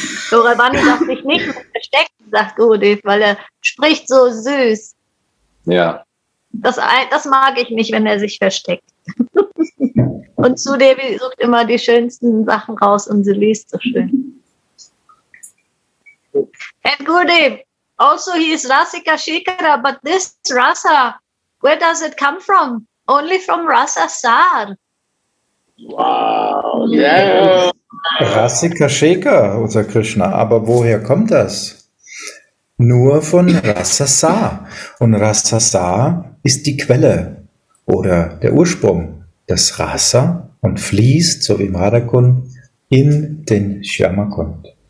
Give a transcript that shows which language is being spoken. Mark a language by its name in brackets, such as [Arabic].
[German] Gauravani darf sich nicht verstecken, sagt Gurudev, weil er spricht so süß. Ja. Das mag ich nicht, wenn er sich versteckt. Und Sudevi sucht immer die schönsten Sachen raus und sie liest so schön. [English] And Gurudev, also he is Rasika Shikara, but this Rasa, where does it come from? Only from Rasa Sar. Wow, yeah. [German] Rasika Shekhar, unser Krishna, aber woher kommt das? Nur von Rasa Sar. Und Rasa Sar ist die Quelle oder der Ursprung des Rasa und fließt, so wie im Radhakund, in den Shyamakund.